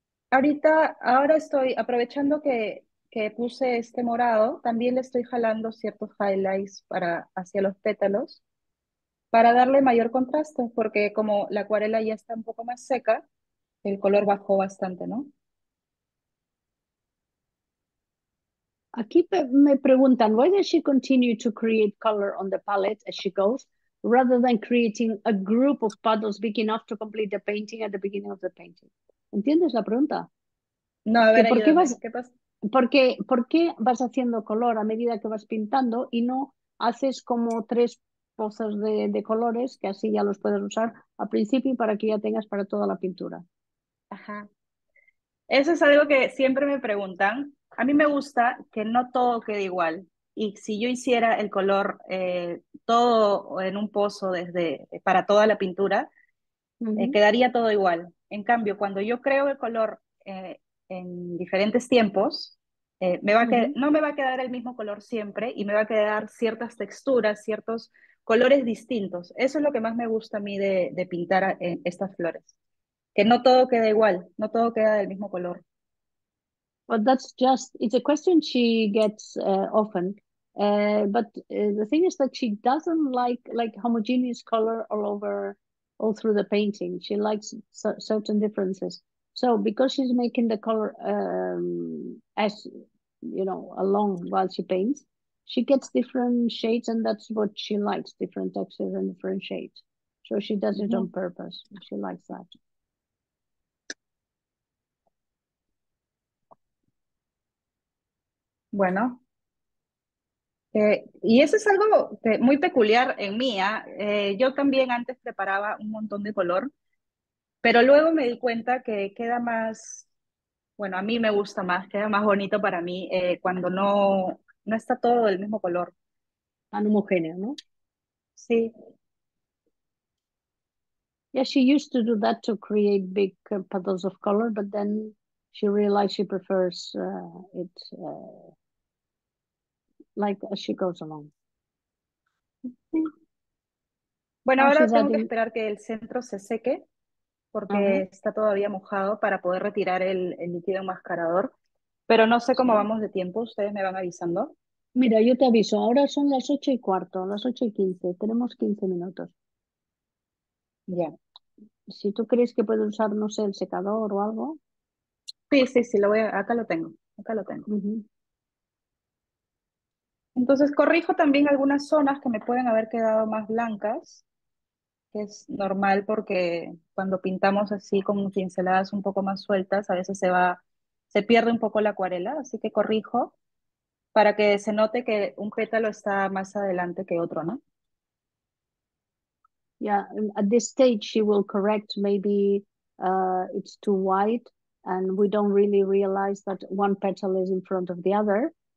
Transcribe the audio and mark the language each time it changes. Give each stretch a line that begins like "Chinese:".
Spanish: Ahorita, ahora estoy aprovechando que puse este morado, también le estoy jalando ciertos highlights hacia los pétalos para darle mayor contraste, porque como la acuarela ya está un poco más seca, el color bajó bastante, ¿no? Aquí me preguntan,
English: why does she continue to create color on the palette as she goes, rather than creating a group of puddles big enough to complete the painting at the beginning of the painting?
Spanish: ¿Entiendes la pregunta? No, a ver, ayúdame. ¿Qué pasa? ¿Por qué vas haciendo color a medida que vas pintando y no haces como tres pozos de colores que así ya los puedes usar al principio y para que ya tengas para toda la pintura? Ajá. Eso es algo que siempre me preguntan. A mí me gusta que no todo quede igual. Y si yo hiciera el color todo en un pozo para toda la pintura, quedaría todo igual. En cambio, cuando yo creo el color en diferentes tiempos, no me va a quedar el mismo color siempre y me va a quedar ciertas texturas, ciertos colores distintos. Eso es lo que más me gusta a mí de pintar estas flores. Que no todo queda igual, no todo queda del mismo color.
English: Well, that's just, it's a question she gets often. But the thing is that she doesn't like homogeneous color all through the painting. She likes certain differences. So because she's making the color as, you know, along while she paints, she gets different shades, and that's what she likes, different textures and different shades. So she does it on purpose. She likes that.
Spanish: Bueno. Y eso es algo muy peculiar en mí. Yo también antes preparaba un montón de color, pero luego me di cuenta que queda más, bueno, a mí me gusta más, queda más bonito para mí cuando no está todo del mismo color. Tan homogéneo, ¿no? Sí.
English: Yeah, she used to do that to create big puddles of color, but then she realized she prefers it like as she goes along.
Spanish: Bueno, ahora tengo que esperar que el centro se seque porque está todavía mojado para poder retirar el líquido enmascarador, pero no sé cómo vamos de tiempo, ustedes me van avisando. Mira, yo te aviso, ahora son las 8:15, las 8:15, tenemos 15 minutos. Ya.
English: Yeah.
Spanish: Si tú crees que puedes usar, no sé, el secador o algo. Sí, lo voy a, acá lo tengo. Uh-huh. Entonces, corrijo también algunas zonas que me pueden haber quedado más blancas, que es normal porque cuando pintamos así con pinceladas un poco más sueltas, a veces se pierde un poco la acuarela, así que corrijo para que se note que un pétalo está más adelante que otro, ¿no?
English: Yeah, at this stage she will correct, maybe it's too white and we don't really realize that one petal is in front of the other.